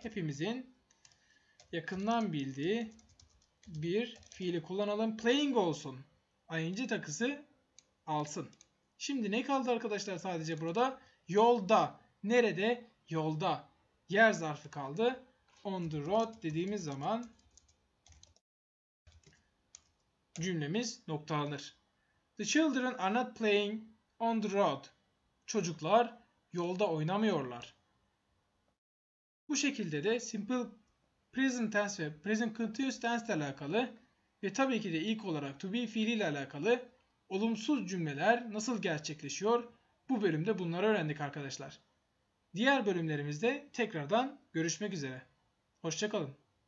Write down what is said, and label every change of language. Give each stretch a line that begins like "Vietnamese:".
Turkish: Hepimizin yakından bildiği bir fiili kullanalım. Playing olsun. ING takısı alsın. Şimdi ne kaldı arkadaşlar sadece burada? Yolda. Nerede? Yolda. Yer zarfı kaldı. On the road dediğimiz zaman cümlemiz noktalanır.
English: The children are not playing on the road.
Turkish: Çocuklar yolda oynamıyorlar. Bu şekilde de simple present tense ve present continuous tense ile alakalı ve tabii ki de ilk olarak to be fiiliyle alakalı olumsuz cümleler nasıl gerçekleşiyor? Bu bölümde bunları öğrendik arkadaşlar. Diğer bölümlerimizde tekrardan görüşmek üzere. Hoşça kalın.